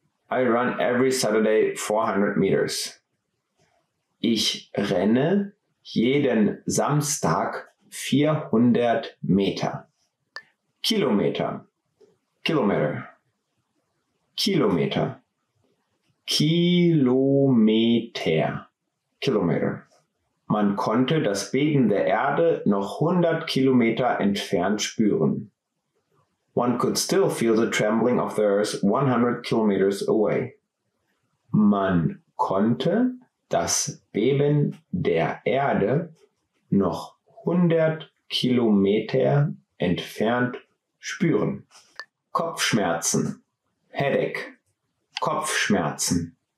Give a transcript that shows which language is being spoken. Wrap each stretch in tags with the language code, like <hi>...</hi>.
<en>I run every Saturday 400 meters.</en> <de>Ich renne jeden Samstag 400 Meter. Kilometer. Kilometer. Kilometer. Kilometer. Kilometer. Man konnte das Beben der Erde noch 100 Kilometer entfernt spüren.</de> <en>One could still feel the trembling of the earth 100 kilometers away.</en> <de>Man konnte das Beben der Erde noch 100 Kilometer entfernt spüren. Kopfschmerzen.</de> <en>Headache.</en> <de>Kopfschmerzen.</de>